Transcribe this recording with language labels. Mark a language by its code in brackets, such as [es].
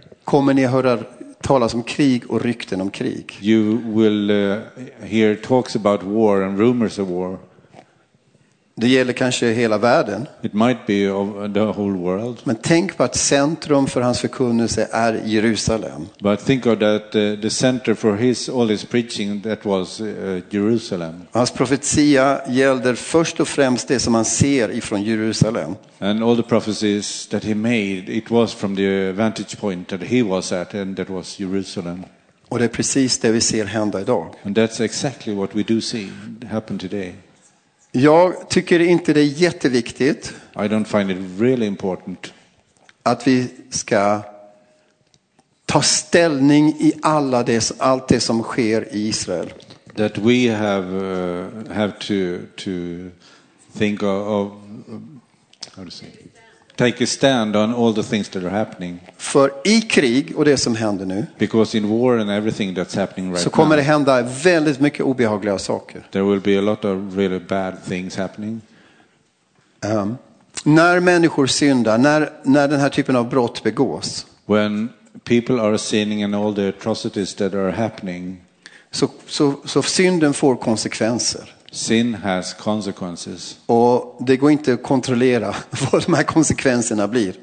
[sv] Kommer ni höra talas om krig och rykten om krig? [en] You will hear talks about war and rumors of war. [sv] Det gäller kanske hela världen. [en] It might be of the whole world. [sv] Men tänk på att centrum för hans förkunnelse är Jerusalem. [en] But think of that the center for all his preaching that was Jerusalem. [sv] Hans profetia gäller först och främst det som man ser ifrån Jerusalem. [en] And all the prophecies that he made, it was from the vantage point that he was at, and that was Jerusalem. [sv] Och det är precis det vi ser hända idag. [en] And that's exactly what we do see happen today. [sv] Jag tycker inte det är jätteviktigt. [en] I don't find it really important. [sv] Att vi ska ta ställning i allt det som sker i Israel. [en] That we have to think of how to say, take a stand on all the things that are happening. [sv] För i krig och det som händer nu. [en] Because in war and everything that's happening right now. [sv] Så kommer [en] now, [sv] det hända väldigt mycket obehagliga saker. [en] There will be a lot of really bad things happening. [sv] När människor syndar, när den här typen av brott begås. [en] When people are sinning and all the atrocities that are happening. [sv] Så synden får konsekvenser. [en] Sin has consequences. [sv] Och det går inte att kontrollera vad de här konsekvenserna blir.